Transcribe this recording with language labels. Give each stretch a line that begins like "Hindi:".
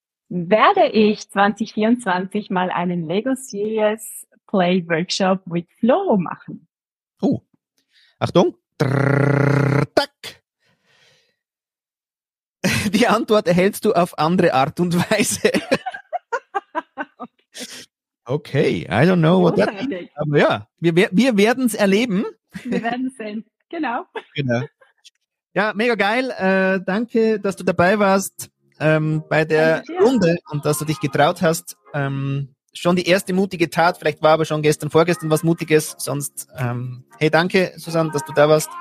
German: Werde ich 2024 mal einen Lego Serious Play Workshop
English: with Flo
German: machen? Oh. Achtung, drrr, tack. Die Antwort erhältst du auf andere Art und Weise.
English: Okay, I don't know what that is.
German: Aber ja, wir werden es erleben. Wir werden es sehen, genau. Genau. Ja, mega geil. Danke, dass du dabei warst bei der Runde und dass du dich getraut hast. Schon die erste mutige Tat, vielleicht war aber schon gestern, vorgestern was Mutiges, sonst hey, danke, Susanne, dass du da warst.